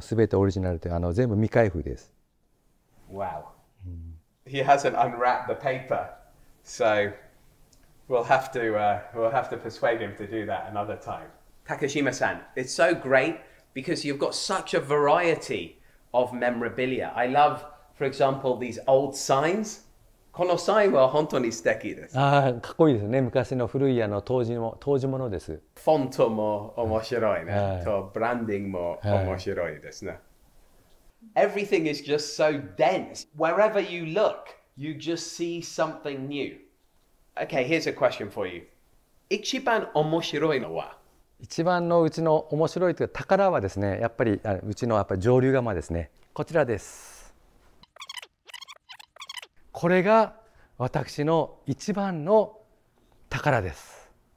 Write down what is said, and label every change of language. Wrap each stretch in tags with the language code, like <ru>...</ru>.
<ja>すべてオリジナルで、全部未開封です。</ja> <en>Wow. He hasn't unwrapped the paper, so we'll have to persuade him to do that another time. Takashima-san, it's so great because you've got such a variety of memorabilia. I love, for example, these old signs.</en> <ja>このサインは本当に素敵です。かっこいいですね。昔の古い当時物です。フォントも面白いね。ブランディングも面白いですね。</ja> <en>Everything is just so dense. Wherever you look, you just see something new. Okay, here's a question for you.</en> <ja>一番面白いのは? 一番のうちの面白いというか宝はですね、やっぱりうちの上流釜ですね。こちらです。これが私の一番の宝です。</ja>